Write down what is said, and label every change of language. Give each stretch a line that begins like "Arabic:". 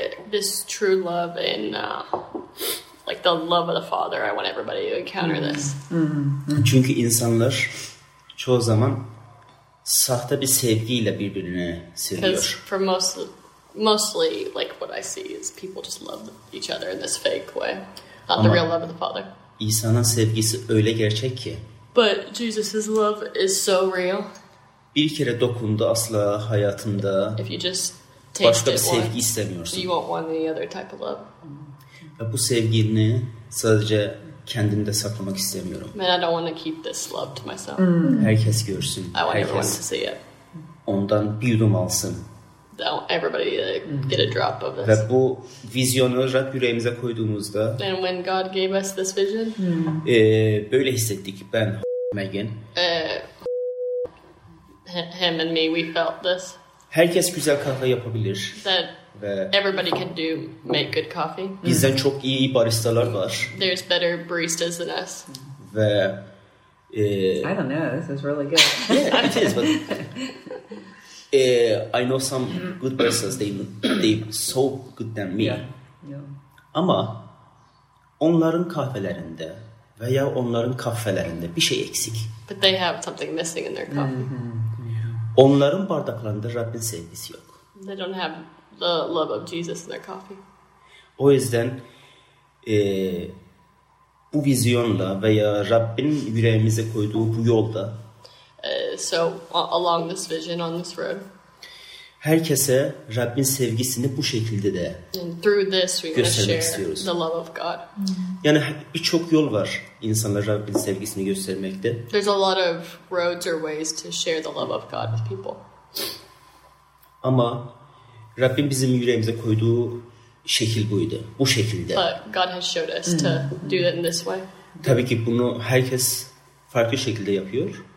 English: This true love and like the love of the father, I want everybody to encounter this.
Turkish: Çünkü insanlar çoğu zaman sahte bir sevgiyle birbirine seviyor.
English: Because for mostly like what I see is people just love each other in this fake way. Not the real love of the father.
Turkish: İsa'nın sevgisi öyle gerçek ki.
English: But Jesus's love is so real.
Turkish: Bir kere dokundu asla hayatında.
English: If you just
Turkish: başka bir sevgi istemiyorsun.
English: You want one the other type of love.
Turkish: Ve bu sevgini sadece kendimde saklamak istemiyorum.
English: Man, I don't want to keep this love to myself.
Turkish: Herkes görsün.
English: I want
Turkish: herkes
English: everyone to see it.
Turkish: Ondan bir yudum alsın.
English: I want everybody to get a drop of this.
Turkish: Ve bu vizyonu Rab yüreğimize koyduğumuzda.
English: And when God gave us this vision.
Turkish: Böyle hissettik. Ben Megan.
English: Him and me, we felt this.
Turkish: Herkes güzel kahve yapabilir.
English: That
Turkish: ve
English: everybody can do make good coffee.
Turkish: Bizden çok iyi baristalar var.
English: There's better baristas than us.
Turkish: Ve
English: I don't know. This is really good. Yeah, it is. But I know some good baristas. They so good than me. Yeah.
Turkish: Ama onların kahvelerinde veya onların kafelerinde bir şey eksik.
English: But they have something missing in their coffee.
Turkish: Onların bardaklarında Rabbin sevgisi yok.
English: They don't have the love of Jesus in their coffee.
Turkish: O yüzden bu vizyonla veya Rabbin yüreğimize koyduğu bu yolda
English: so along this vision on this road
Turkish: herkese Rabbin sevgisini bu şekilde de
English: through this we
Turkish: göstermek istiyoruz.
English: The love of God.
Turkish: Yani birçok yol var insanlara Rabbin sevgisini göstermekte.
English: There's a lot of roads or ways to share the love of God with people.
Turkish: Ama Rabbin bizim yüreğimize koyduğu şekil buydu. Bu şekilde.
English: But God has showed us to do it in this way.
Turkish: Tabii ki bunu herkes farklı şekilde yapıyor.